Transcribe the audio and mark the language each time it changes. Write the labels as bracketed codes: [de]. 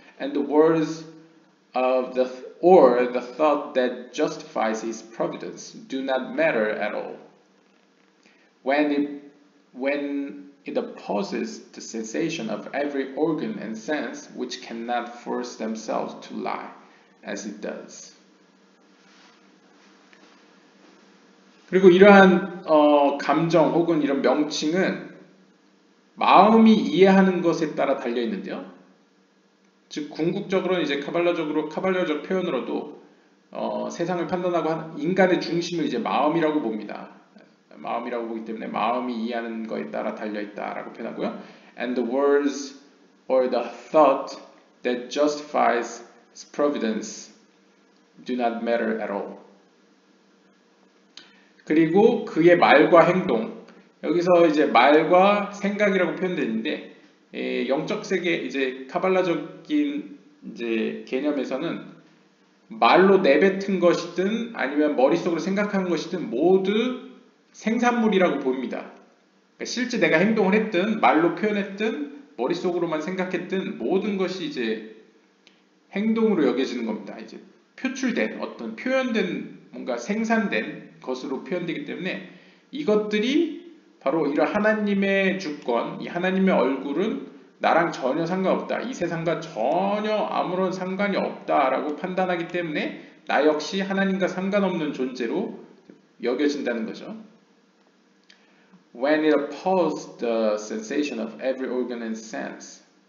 [en] And the words of the or the thought that justifies his providence do not matter at all. When it when it opposes the sensation of every organ and sense which cannot force themselves to lie as it does. [ko] 그리고 이러한 감정 혹은 이런 명칭은 마음이 이해하는 것에 따라 달려 있는데요. 즉 궁극적으로 이제 카발라적 표현으로도 세상을 판단하고 인간의 중심을 이제 마음이라고 봅니다. 마음이라고 보기 때문에 마음이 이해하는 것에 따라 달려 있다라고 표현하고요. [en] And the words or the thought that justifies its providence do not matter at all. [ko] 그리고 그의 말과 행동, 여기서 이제 말과 생각이라고 표현되는데 영적 세계 이제 카발라적인 이제 개념에서는 말로 내뱉은 것이든 아니면 머릿속으로 생각하는 것이든 모두 생산물이라고 봅니다. 그러니까 실제 내가 행동을 했든 말로 표현했든 머릿속으로만 생각했든 모든 것이 이제 행동으로 여겨지는 겁니다. 이제 표출된 어떤 표현된 뭔가 생산된 것으로 표현되기 때문에 이것들이 바로 이런 하나님의 주권, 이 하나님의 얼굴은 나랑 전혀 상관없다. 이 세상과 전혀 아무런 상관이 없다라고 판단하기 때문에 나 역시 하나님과 상관없는 존재로 여겨진다는 거죠. [en] When it opposes the sensation of every organ and sense.